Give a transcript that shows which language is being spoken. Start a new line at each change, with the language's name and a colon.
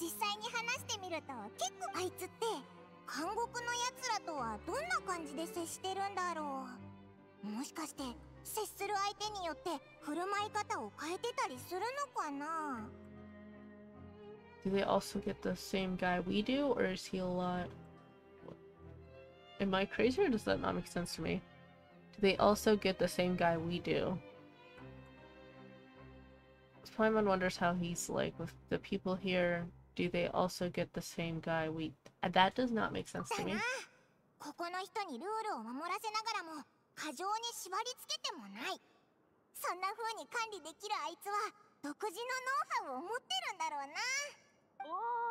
Japanese: 実際に話してみると結構あいつって監獄のやつらとはどんな感じで接してるんだろう。もしかして接する相手によって振る舞い方を変えてたりするのかな。
English: Do they also get the same guy we do, or is he a lot? Am I crazy, or does that not make sense to me? Do they also get the same guy we do? Paimon wonders how he's like with the people here. Do they also get the same guy we? That does not make sense to me.
Japanese: ここの人にルールを守らせながらも過剰に縛り付けてもない。そんな風に管理できるあいつは独自のノウハウを持ってるんだろうな。